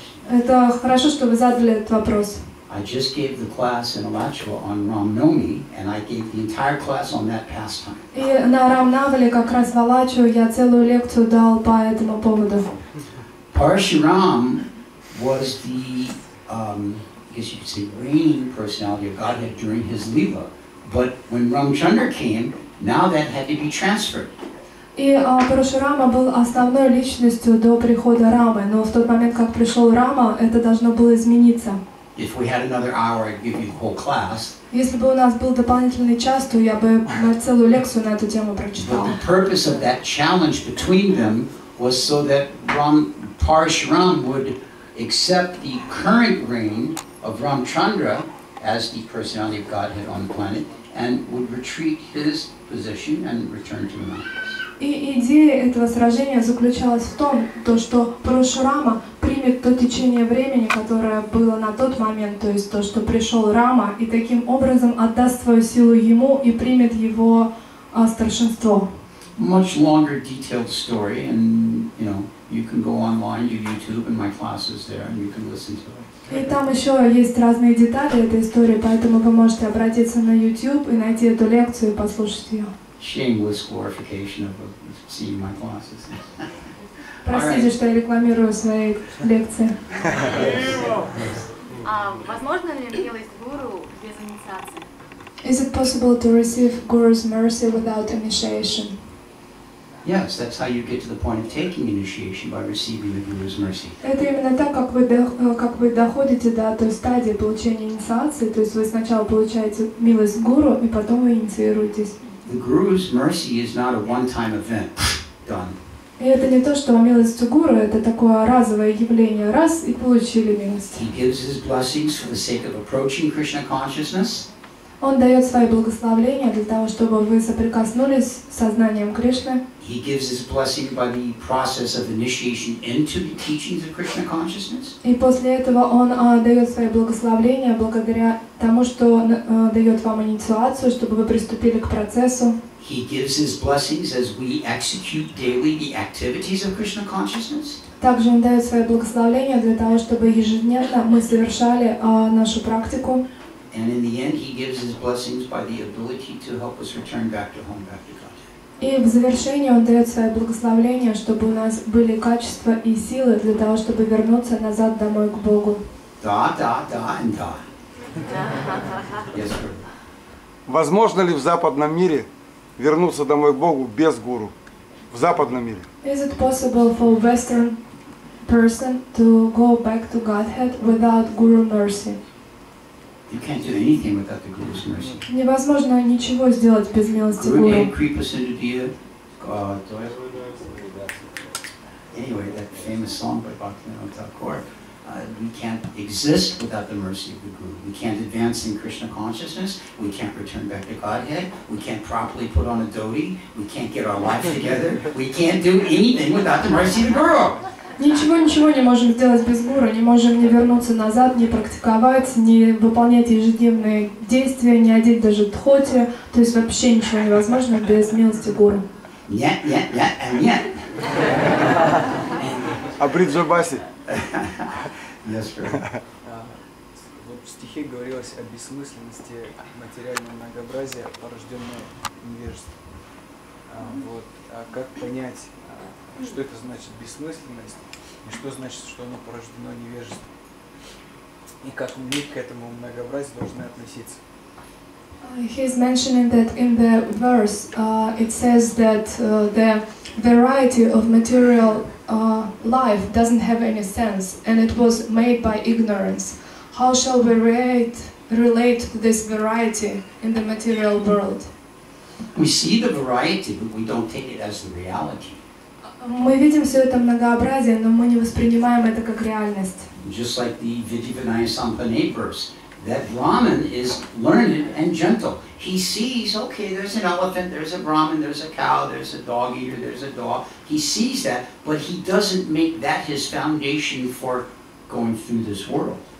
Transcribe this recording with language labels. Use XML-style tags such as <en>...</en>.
<ru>Это хорошо, что вы задали этот вопрос.</ru> <en>I just gave the class in Alachua on Ram Nomi, and I gave the entire class on that pastime.</en> <ru>И на Рам Навали как раз в Алачу я целую лекцию дал по этому поводу.</ru> <en>Parashuram was the, I guess you could say, reigning personality of Godhead during his leela, but when Ramchandra came, now that had to be transferred.</en> <ru>И Парашурама был основной личностью до прихода Рамы, но в тот момент, как пришел Рама, это должно было измениться.</ru> <en>If we had another hour, I'd give you the whole class.</en> <ru>Если бы у нас был дополнительный час, то я бы целую лекцию на эту тему прочитал.</ru> <en>The purpose of that challenge between them was so that Parashurama would accept the current reign of Ramchandra as the personality of Godhead on the planet and would retreat his position and return to the mountains.</en> <ru>И идея этого сражения заключалась в том, то, что Парашурама примет то течение времени, которое было на тот момент, то есть то, что пришел Рама, и таким образом отдаст свою силу ему и примет его старшинство.</ru> <en>Much longer detailed story, and you know, you can go online, you YouTube, and my classes there, and you can listen to it.</en> <ru>И там еще есть разные детали этой истории, поэтому вы можете обратиться на YouTube и найти эту лекцию и послушать ее.</ru> <en>Shameless glorification of seeing my classes.</en> <ru>Простите, что я рекламирую свои лекции. Возможно ли делать гуру без инициации?</ru> <en>Is it possible to receive guru's mercy without initiation? Yes, that's how you get to the point of taking initiation, by receiving the guru's mercy.</en> <ru>Это именно так, как вы доходите до той стадии получения инициации, то есть вы сначала получаете милость гуру и потом вы инициируетесь.</ru> <en>The Guru's mercy is not a one-time event. Done.</en> <ru>И это не то, что милость Гуру, это такое разовое явление. Раз и получили милость.</ru> <en>He gives his blessings for the sake of approaching Krishna consciousness.</en> <ru>Он дает свои благословения для того, чтобы вы соприкоснулись с сознанием Кришны.</ru> <en>He gives his blessing by the process of initiation into the teachings of Krishna consciousness.</en> <ru>И после этого он дает свои благословения благодаря тому, что дает вам инициацию, чтобы вы приступили к процессу.</ru> <en>He gives his blessings as we execute daily the activities of Krishna consciousness.</en> <ru>Также он дает свои благословения для того, чтобы ежедневно мы совершали нашу практику.</ru> <en>And in the end, he gives his blessings by the ability to help us return back to home, back to God.</en> <ru>И в завершении он дает свое благословение, чтобы у нас были качества и силы для того, чтобы вернуться назад домой к Богу. Да, да, да,</ru> <en>and</en> <ru>да.</ru> <en>Yes, sir.</en> <ru>Возможно ли в западном мире вернуться домой к Богу без гуру? в западном мире?</ru> <en>Is it possible for Western person to go back to Godhead without Guru mercy? You can't do anything without the Guru's mercy.</en> <ru>Невозможно ничего сделать без милости</ru> <en>Guru. Guru creep us into the Anyway, that famous song by Bhaktivinoda Thakur. We can't exist without the mercy of the Guru. We can't advance in Krishna consciousness. We can't return back to Godhead. We can't properly put on a dhoti. We can't get our life together. We can't do anything without the mercy of the Guru.</en> <ru>Ничего-ничего не можем сделать без Гуру, не можем ни вернуться назад, ни практиковать, ни выполнять ежедневные действия, ни одеть даже дхоти. То есть вообще ничего невозможно без милости Гуру. Нет. А бриджабаси?</ru> <en>Yes, sir.</en> <ru>В стихе говорилось о бессмысленности материального многообразия, порожденного невежеством. Вот, а как понять, что это значит бессмысленность, и что значит, что оно порождено невежеством? И как мы к этому многообразию должны относиться?</ru> <en>He's mentioning that in the verse, it says that the variety of material life doesn't have any sense, and it was made by ignorance. How shall we relate to this variety in the material world? We see the variety, but we don't take it as the reality.</en> <ru>Мы видим все это многообразие, но мы не воспринимаем это как реальность.</ru> <en>Just like the Vidhivinaya Sampanate verse, that Brahman is learned and gentle. He sees, okay, there's an elephant, there's a Brahman, there's a cow, there's a dog eater, there's a dog. He sees that, but he doesn't make that his foundation for going through this world.</en>